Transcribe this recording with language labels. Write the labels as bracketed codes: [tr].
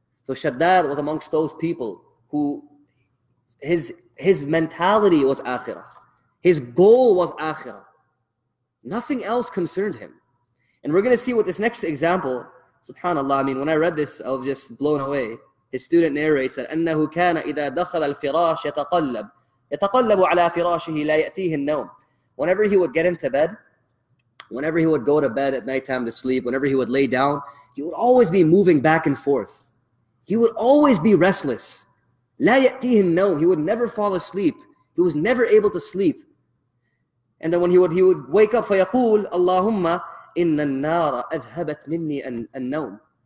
[en] So Shaddad was amongst those people who his mentality was akhirah. His goal was akhirah. Nothing else concerned him. And we're going to see with this next example, subhanAllah, I mean, when I read this, I was just blown away. His student narrates that, [ar] أَنَّهُ كَانَ إِذَا دَخَلَ الْفِرَاشِ يَتَقَلَّبْ يتقلب على فراشه لا يأتيه النوم. [en] Whenever he would get into bed, whenever he would go to bed at nighttime to sleep, whenever he would lay down, he would always be moving back and forth. He would always be restless. [ar] لا يأتيه النوم. [en] He would never fall asleep. He was never able to sleep. And then when he would wake up, [ar] فيقول اللهم إن النار أذهبت مني النوم.